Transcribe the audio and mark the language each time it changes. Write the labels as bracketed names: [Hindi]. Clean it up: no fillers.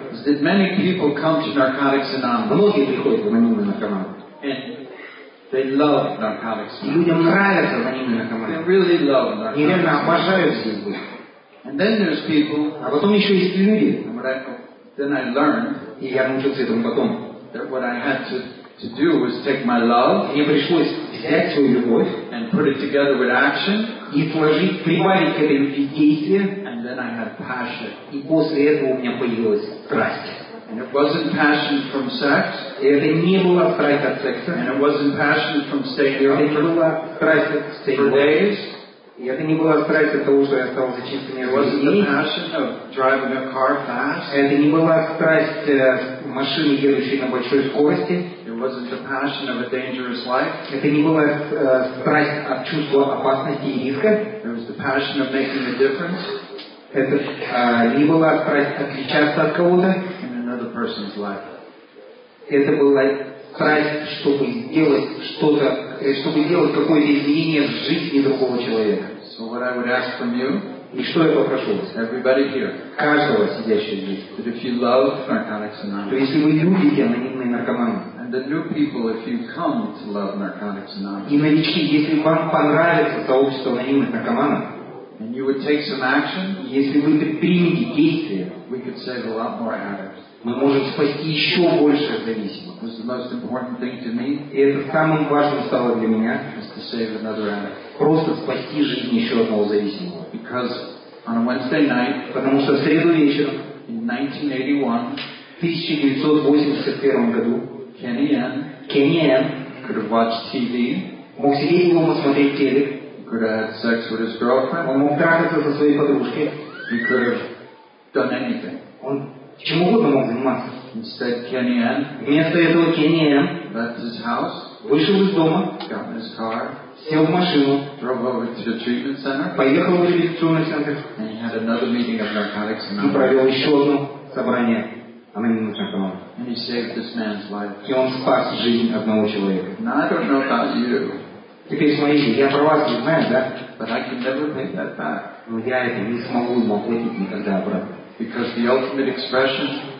[English] Is that many people come to Narcotics Anonymous? [Russian] Многие приходят в анонимные наркоманы. [English] And they love Narcotics. [Russian] И людям нравятся анонимные наркоманы. [English] They really love Narcotics. [Russian] И реально обожают здесь быть. [English] And then there's people. [Russian] А потом еще есть люди. [English] Then I learned. [Russian] И я научился этому потом. [English] That what I had to do was take my love. [Russian] И мне пришлось взять свою любовь. [English] And put it together with action. [Russian] И положить, прибавить к этой любви действия. [English] And then I had passion. [Russian] И после этого у меня появилась страсть. [English] And it wasn't passion from sex. [Russian] И это не была страсть от секса. [English] And it wasn't passion from staying home. [Russian] Это не была страсть от [English] staying days. [Russian] И это не была страсть от того, что я стал зачистым. [English] It wasn't the passion of driving a car fast. [Russian] Это не была страсть машины, едущей на большой скорости. [English] It wasn't the passion of a dangerous life. [Russian] Это не была страсть от чувства опасности и риска. [English] It was the passion of making a difference. [Russian] Это не была страсть отличаться от кого-то. [English] In another person's life. [Russian] Это была страсть, чтобы сделать что-то, чтобы делать какое-то изменение в жизни другого человека. [English] So what I would ask from you, [Russian] и что я попрошу вас? [English] Everybody here, [Russian] каждого сидящего здесь. [English] That if you love Narcotics Anonymous, [Russian] то если вы любите анонимные наркоманы. [English] And the new people, if you come to love Narcotics Anonymous, [Russian] и новички, если вам понравится сообщество анонимных наркоманов. [English] And you would take some action, [Russian] если вы предпримете действия. [English] We could save a lot more addicts. [Russian] Мы можем спасти еще больше зависимых. [English] It's the most important thing to me. [Russian] И это самым важным стало для меня. [English] Is to save another addict. [Russian] Просто спасти жизнь еще одного зависимого. [English] Because on a Wednesday night, [Russian] потому что в среду вечером, [English] in 1981, [Russian] в 1981 году, [English] Kenny Ann, could have watched TV. [Russian] Мог сидеть дома смотреть телек. [English] Could have had sex with his girlfriend. [Russian] Он мог трахаться со своей подружкой. [English] He could have done anything. [Russian] Он чем угодно мог заниматься. [English] Instead, Kenny Ann, [Russian] вместо этого Kenny Ann, [English] left his house, [Russian] вышел из дома, [English] got in his car, [Russian] сел в машину, [English] drove over to the treatment center, [Russian] поехал в реабилитационный центр, [English] and he had another meeting of Narcotics Anonymous, [Russian] и провел еще одно собрание анонимных наркоманов. [English] And he saved this man's life. [Russian] И он спас жизнь одного человека. [English] Now, I don't know about you. [Russian] Теперь смотрите, я про вас не знаю, да? [English] But I can never pay that back. [Russian] Но я это не смогу ему оплатить никогда обратно. [English] Because the ultimate expression,